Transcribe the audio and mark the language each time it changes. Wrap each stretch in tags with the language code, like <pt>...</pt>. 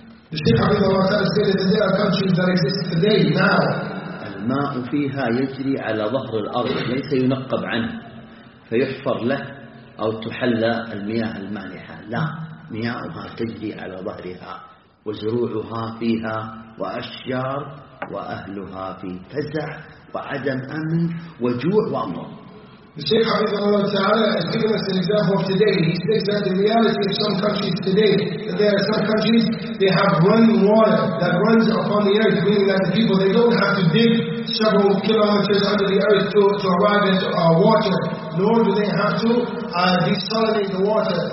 <en>The Shaykh Abid Allah Ta'ala said that there are countries that exist today, now.</en> <ar>الماء فيها يجري على ظهر الأرض ليس ينقب عنه فيحفر له أو تحلى المياه المالحة لا مياهها تجري على ظهرها وزروعها فيها وأشجار وأهلها في فزع وعدم أمن وجوع وأمر.</ar> <en>The Shaykh Abid Allah Ta'ala has given us an example of today. He says that the reality of some countries today, that there are some countries, they have running water that runs upon the earth, meaning that the people, they don't have to dig several kilometers under the earth to arrive at water, nor do they have to desalinate the water.</en>